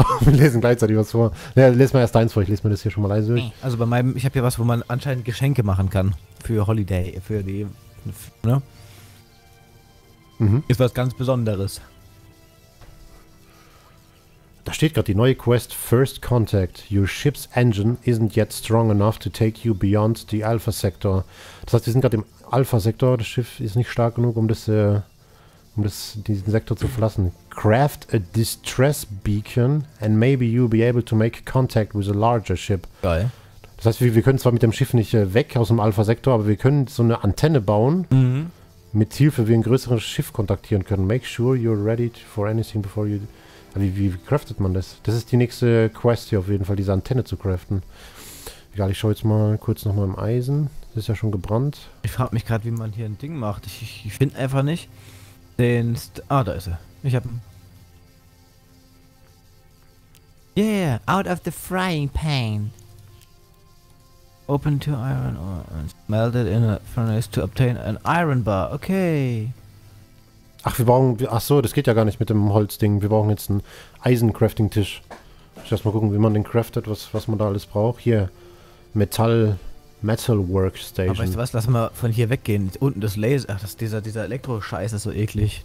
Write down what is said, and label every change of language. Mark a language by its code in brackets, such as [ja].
[de] Wir lesen gleichzeitig was vor. Ja, lest mal erst deins vor. Ich lese mir das hier schon mal leise durch. Also bei meinem... Ich habe hier was, wo man anscheinend Geschenke machen kann. Für Holiday. Für die... Ne? Mhm. Ist was ganz Besonderes. Da steht gerade die neue Quest First Contact. [en] Your ship's engine isn't yet strong enough to take you beyond the Alpha Sector. [de] Das heißt, wir sind gerade im Alpha Sektor. Das Schiff ist nicht stark genug, um diesen Sektor zu verlassen. [en] Craft a distress beacon and maybe you'll be able to make contact with a larger ship. [de] Geil. Das heißt, wir können zwar mit dem Schiff nicht weg aus dem Alpha Sektor, aber wir können so eine Antenne bauen, mit Hilfe, wie wir ein größeres Schiff kontaktieren können. [en] Make sure you're ready for anything before you. [de] Wie craftet man das? Das ist die nächste Quest hier auf jeden Fall, diese Antenne zu craften. Egal, ich schaue jetzt mal kurz nochmal im Eisen. Das ist ja schon gebrannt. Ich frage mich gerade, wie man hier ein Ding macht. Ich finde einfach nicht den... Ah, da ist er. Ich habe... [en] Yeah, out of the frying pan. Open to iron ore and melt it in a furnace to obtain an iron bar. [de] Okay. Ach, wir brauchen. Ach so, das geht ja gar nicht mit dem Holzding. Wir brauchen jetzt einen Eisen-Crafting-Tisch. Ich muss mal gucken, wie man den craftet, was man da alles braucht. Hier. Metal Workstation. Aber weißt du was? Lass mal von hier weggehen. Unten das Laser. Ach, dieser Elektro-Scheiß ist so eklig.